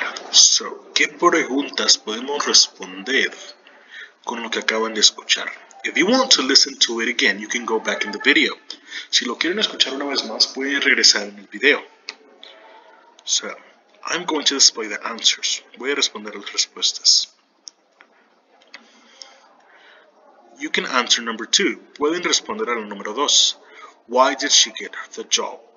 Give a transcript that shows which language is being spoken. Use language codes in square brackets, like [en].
[es] So, ¿qué preguntas podemos responder con lo que acaban de escuchar? [en] If you want to listen to it again, you can go back in the video. [es] Si lo quieren escuchar una vez más, pueden regresar en el video. [en] So, I'm going to display the answers. [es] Voy a responder las respuestas. [en] You can answer number two. [es] Pueden responder al número dos. [en] Why did she get the job?